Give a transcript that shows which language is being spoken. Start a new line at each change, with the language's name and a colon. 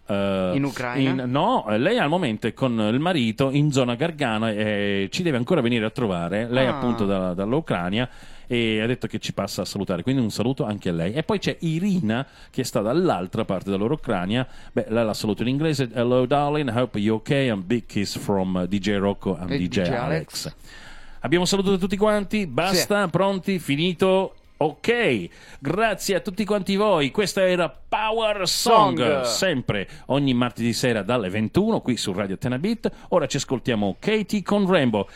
Italian: in Ucraina? No, lei al momento è con il marito in zona Gargano e ci deve ancora venire a trovare, lei appunto dall'Ucraina. E ha detto che ci passa a salutare, quindi un saluto anche a lei. E poi c'è Irina che sta dall'altra parte della loro Ucraina. Beh, la saluto in inglese.
English: Hello darling, hope you're okay, and big kiss from DJ Rocco and DJ Alex.
Italian: Abbiamo salutato tutti quanti, basta, sì. Pronti, finito, ok, grazie a tutti quanti voi, questa era Power Song. Sempre ogni martedì sera dalle 21 qui su Radio Tena Beat. Ora ci ascoltiamo Katie con Rainbow.